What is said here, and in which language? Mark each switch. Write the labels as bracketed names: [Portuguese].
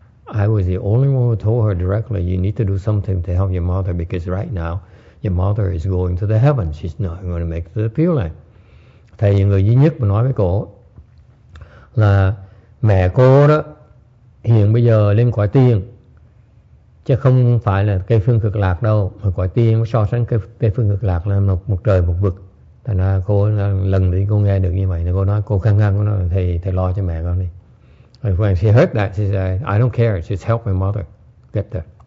[English] I was the only one who told her directly, you need to do something to help your mother because right now your mother is going to the heaven. She's not going to make it to the Pure Land. [Vietnamese] Thầy là người duy nhất mà nói với cô là mẹ cô đó hiện bây giờ lên cõi tiên, chứ không phải là cây phương cực lạc đâu. Mà cõi tiên so sánh cây phương cực lạc là một trời một vực. Thành ra cô lần đi cô nghe được như vậy, cô nói cô khăng khăng, cô nói thầy lo cho mẹ con đi. [English] And when she heard that, she said, I don't care, just help my mother get there.